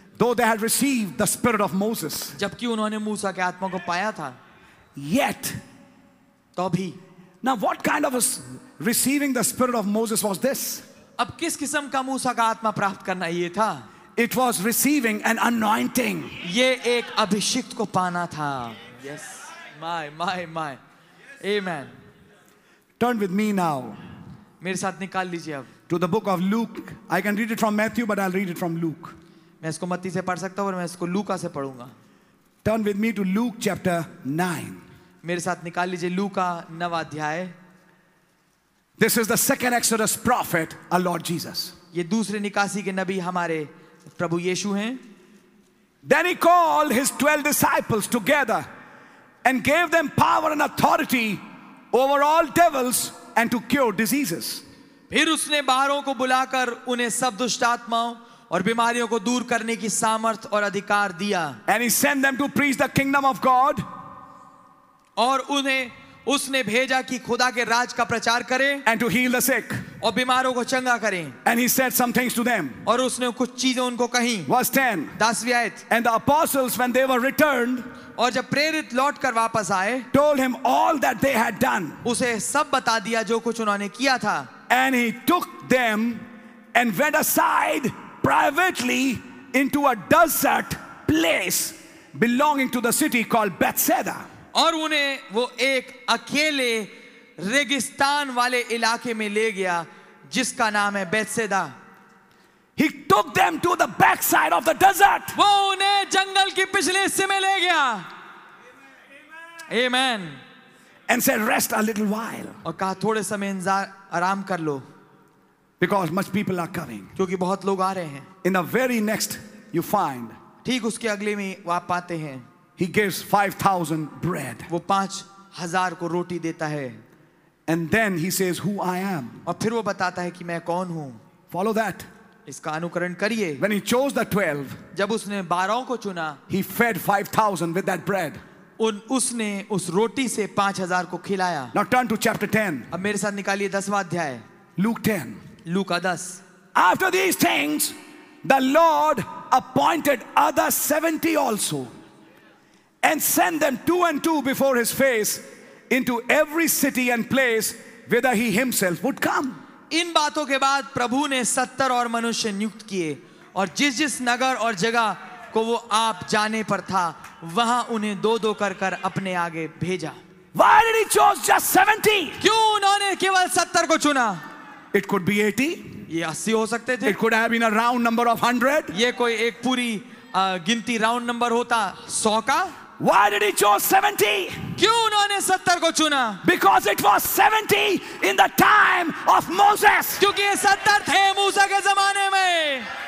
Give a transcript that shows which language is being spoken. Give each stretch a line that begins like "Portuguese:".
English: though they had received the spirit of Moses,
Hindi: जबकि उन्होंने मूसा के आत्मा को पाया था,
English: yet,
Hindi: तो भी,
English: now what kind of a receiving the spirit of Moses was this?
Hindi: अब किस किस्म का मूसा का आत्मा प्राप्त करना ये था?
English: It was receiving an anointing,
Hindi: ये एक अभिषिक्त को पाना था,
English: yes, my, my, my, amen. Turn with me now.
Hindi: मेरे साथ निकाल लीजिए अब.
English: To the book of Luke. I can read it from Matthew, but I'll read it from Luke.
Hindi: मैं इसको मत्ती से पढ़ सकता हूँ, पर मैं इसको लूका से पढूंगा.
English: Turn with me to Luke chapter 9.
Hindi: मेरे साथ निकाल लीजिए लूका नवा अध्याय.
English: This is the second Exodus prophet, our Lord Jesus.
Hindi: ये दूसरे निकासी के नबी हमारे प्रभु यीशु हैं.
English: Then he called his 12 disciples together and gave them power and authority over all devils and to cure diseases.
Hindi: फिर उसने बाहरों को बुलाकर उन्हें सब दुष्ट आत्माओं और बीमारियों को दूर करने की सामर्थ और अधिकार दिया.
English: And he sent them to preach the kingdom of God.
Hindi: और उन्हें उसने भेजा कि खुदा के राज का प्रचार करें.
English: And to heal the sick.
Hindi: और बीमारों को चंगा करें.
English: And he said some things to them.
Hindi: और उसने कुछ चीजें उनको कहीं.
English: Verse 10.
Hindi: दसवीं आयत.
English: And the apostles, when they were returned.
Hindi: और जब प्रेरित लौट कर वापस आए,
English: told him all that they had done,
Hindi: उसे सब बता दिया जो कुछ उन्होंने किया था,
English: and he took them and went aside privately into a desert place belonging to the city called Bethsaida.
Hindi: और उन्हें वो एक अकेले रेगिस्तान वाले इलाके में ले गया जिसका नाम है Bethsaida.
English: He took them to the backside of the desert.
Hindi: वो उन्हें जंगल की पिछले हिस्से में ले गया.
English: Amen. And said, "Rest a little while."
Hindi: और कहा थोड़े समय इंतजार आराम कर लो.
English: Because much people are coming.
Hindi: क्योंकि बहुत लोग आ रहे हैं.
English: In the very next, you find.
Hindi: ठीक उसके अगले में आप पाते हैं.
English: He gives 5,000 bread.
Hindi: वो 5,000 को रोटी देता है.
English: And then he says, "Who I am?"
Hindi: और फिर वो बताता है कि मैं कौन हूँ.
English: Follow that.
Hindi: इसका अनुकरण करिए.
English: When he chose the 12,
Hindi: जब उसने 12 को चुना,
English: he fed 5,000 with that bread.
Hindi: उसने उस रोटी से 5,000 को खिलाया.
English: Now turn to chapter 10.
Hindi: अब मेरे साथ निकालिए 10वां अध्याय.
English: Luke 10.
Hindi: Luka 10.
English: After these things, the Lord appointed other 70 also, and sent them two and two before his face into every city and place whither he himself would come.
Hindi: इन बातों के बाद प्रभु ने 70 और मनुष्य नियुक्त किए और जिस जिस नगर और जगह को वो आप जाने पर था वहां उन्हें दो दो कर अपने आगे भेजा.
English: Why did he choose just 70?
Hindi: क्यों उन्होंने केवल 70 को चुना?
English: It could be 80.
Hindi: ये 80 हो सकते थे.
English: It could have been a round number of 100.
Hindi: ये कोई एक पूरी गिनती राउंड नंबर होता 100 का.
English: Why did he choose 70?
Hindi: क्यों उन्होंने 70 को चुना?
English: Because it was 70 in the time of Moses.
Hindi: क्योंकि ये 70 थे मूसा के जमाने में.